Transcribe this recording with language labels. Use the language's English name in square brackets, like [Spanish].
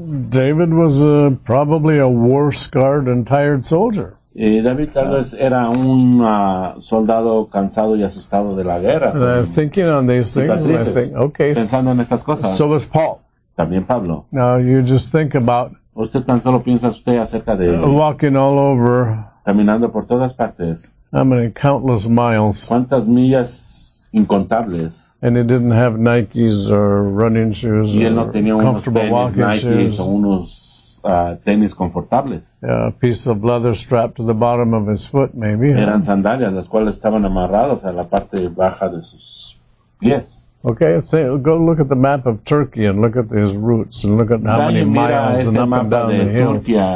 [English] David was probably a war-scarred and tired soldier. [Spanish] David tal vez era un soldado cansado y asustado de la guerra. [English] Thinking on these things, I think, okay. [Spanish] Pensando en estas cosas. [English] So was Paul. [Spanish] También Pablo. [English] Now you just think about. [Spanish] Usted tan solo piensa usted acerca de [English] walking all over, [Spanish] caminando por todas partes. [English] How many countless miles? [Spanish] ¿Cuántas millas incontables? [English] And he didn't have Nikes or running shoes. [Spanish] Y él no tenía unos [English] comfortable [Spanish] tenis, [English] walking [Spanish] Nikes [English] shoes. [Spanish] O unos tenis confortables. [English] Yeah, a piece of leather strapped to the bottom of his foot, maybe. [Spanish] Eran sandalias las cuales estaban amarradas a la parte baja de sus pies. [English] Okay, so go look at the map of Turkey and look at his roots and look at how many miles and up and down the hills.